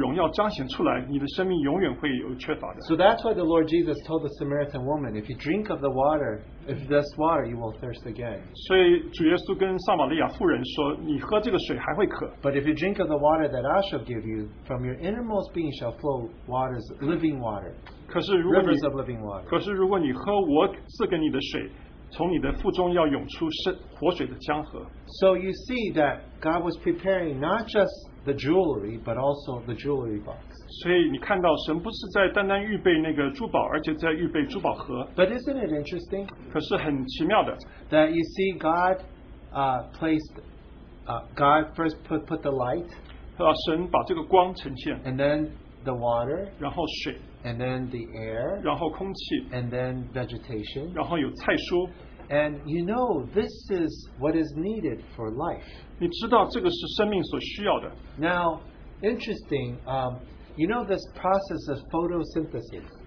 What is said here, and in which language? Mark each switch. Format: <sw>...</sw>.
<zh>所以直到有一天你能够把基督的荣耀彰显出来，你的生命永远会有缺乏的。</zh> <en>So that's why the Lord Jesus told the Samaritan woman, if you drink of the water, if this water, you will thirst again.</en> <zh>所以主耶稣跟撒玛利亚妇人说，你喝这个水还会渴。</zh> <en>But if you drink of the water that I shall give you, from your innermost being shall flow waters, living water.</en> <zh>可是如果你,</zh> <en>rivers of living water.</en> <zh>可是如果你喝我赐给你的水, 从你的腹中要涌出活水的江河。</zh> <en>So you see that God was preparing not just the jewelry, but also the jewelry box.</en> <zh>所以你看到神不是在单单预备那个珠宝，而且在预备珠宝盒。</zh> <en>But isn't it interesting?</en> <zh>可是很奇妙的。</zh> <en>That you see God placed, God first put the light.</en> <zh>神把这个光呈现。</zh> <en>And then the water.</en> <zh>然后水。</zh> <en>And then the air.</en> <zh>然后空气。</zh> <en>And then vegetation.</en> <zh>然后有菜蔬。</zh> <en>And you know, this is what is needed for life.</en> <zh>你知道这个是生命所需要的。</zh> <en>Now, interesting, you know this process of photosynthesis.</en>